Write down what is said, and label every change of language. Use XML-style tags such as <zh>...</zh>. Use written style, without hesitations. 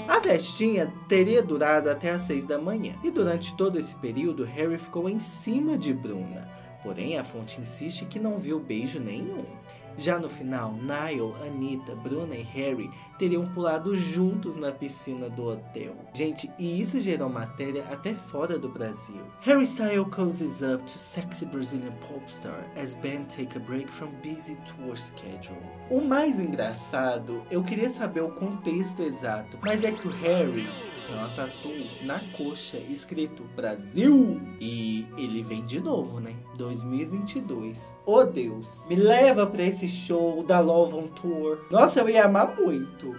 <pt>A festinha teria durado até as 6 da manhã. E durante todo esse período, Harry ficou em cima de Bruna. Porém, a fonte insiste que não viu beijo nenhum. Já no final, Niall, Anita, Bruna e Harry teriam pulado juntos na piscina do hotel. Gente, e isso gerou matéria até fora do Brasil.</pt> <en>Harry Styles closes up to sexy Brazilian pop star as band take a break from busy tour schedule.</en> <pt>O mais engraçado, eu queria saber o contexto exato, mas é que o Harry tem uma tatu na coxa escrito Brasil. E ele vem de novo, né? 2022. Oh, Deus. Me leva pra esse show da Love on Tour. Nossa, eu ia amar muito.</pt>